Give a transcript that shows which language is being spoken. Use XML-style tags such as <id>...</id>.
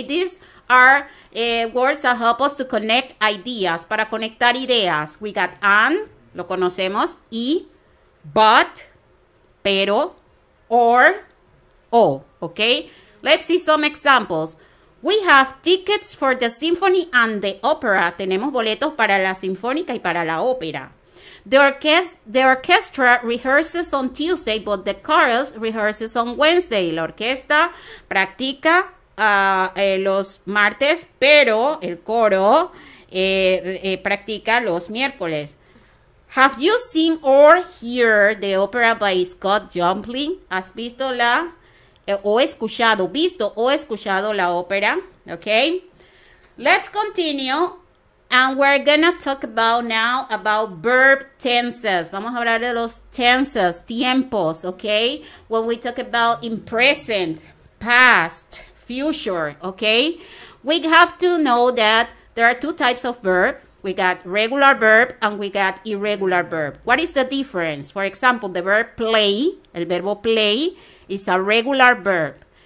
<en>These are words that help us to connect ideas,</en> <es>para conectar ideas.</es> <en>We got and,</en> <es>lo conocemos,</es> <en>y, but, pero, or, o, okay? Let's see some examples. We have tickets for the symphony and the opera.</en> <es>Tenemos boletos para la sinfónica y para la ópera.</es> <en>The orchestra rehearses on Tuesday, but the chorus rehearses on Wednesday.</en> <es>La orquesta practica los martes, pero el coro practica los miércoles.</es> <en>Have you seen or heard the opera by Scott Joplin?</en> <es>¿Has visto la o escuchado la ópera?</es> <en>Okay, let's continue. And we're gonna talk about now about verb tenses.</en> <es>Vamos a hablar de los tenses, tiempos, okay?</es> <en>When we talk about in present, past, future, okay? We have to know that there are two types of verb. We got regular verb and we got irregular verb. What is the difference? For example, the verb play,</en> <es>el verbo play,</es> <en>is a regular verb.</en>